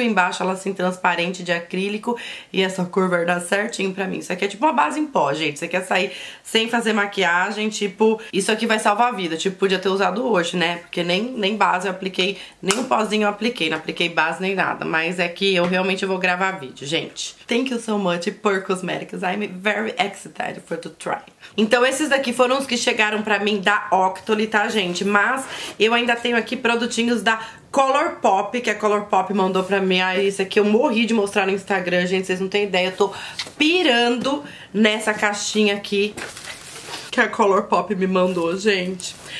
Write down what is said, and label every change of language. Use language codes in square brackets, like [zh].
[pt] Embaixo ela assim, transparente de acrílico. E essa cor vai dar certinho pra mim. Isso aqui é tipo uma base em pó, gente. Você quer sair sem fazer maquiagem, tipo... Isso aqui vai salvar a vida. Tipo, podia ter usado hoje, né? Porque nem base eu apliquei. Nem um pozinho eu apliquei. Não apliquei base nem nada. Mas é que eu realmente vou gravar vídeo, gente. [en] Thank you so much for cosmetics. I'm very excited for to try. [pt] Então esses daqui foram os que chegaram pra mim da Octoly, tá, gente? Mas eu ainda tenho aqui produtinhos da Colourpop, que a Colourpop mandou pra mim. Ah, isso aqui eu morri de mostrar no Instagram, gente. Vocês não têm ideia. Eu tô pirando nessa caixinha aqui que a Colourpop me mandou, gente.